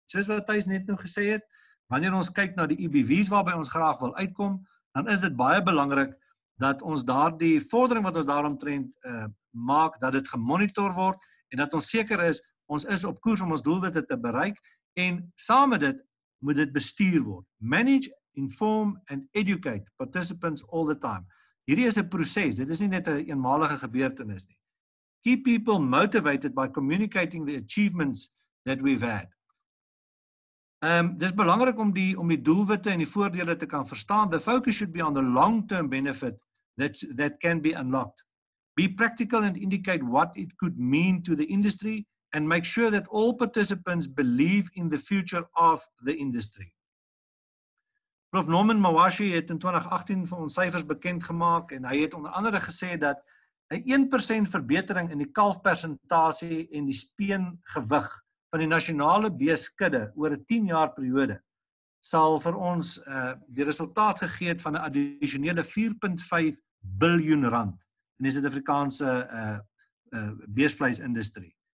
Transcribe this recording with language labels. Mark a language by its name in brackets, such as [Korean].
[Afrikaans] Soos wat Thys net nou gesê het, wanneer ons kyk na die EBV's waarby ons graag wil uitkom, dan is dit baie belangrik dat ons daar die vordering wat ons daaromtrent maak, dat dit gemonitor word, en dat ons seker is, ons is op koers om ons doelwitte te bereik, en saam met dit moet dit bestuur word. [English] Manage, inform and educate participants all the time. [Afrikaans] Hierdie is 'n proses, dit is nie net 'n eenmalige gebeurtenis nie. [English] Keep people motivated by communicating the achievements that we've had. [Afrikaans] Dis belangrik om die doelwitte en die voordele te kan verstaan. [English] The focus should be on the long-term benefit that can be unlocked. Be practical and indicate what it could mean to the industry and make sure that all participants believe in the future of the industry. [Afrikaans] Prof. Norman Mawashi het in 2018 vir ons syfers bekend gemaak en hy het onder andere gesê dat 'n 1% verbetering in die kalfpersentasie en die speengewig van die nasionale beeskudde oor 'n 10 jaar periode sal vir ons die resultaat gegee het van 'n addisionele 4.5 biljoen rand in die Suid-Afrikaanse beesvleisindustrie.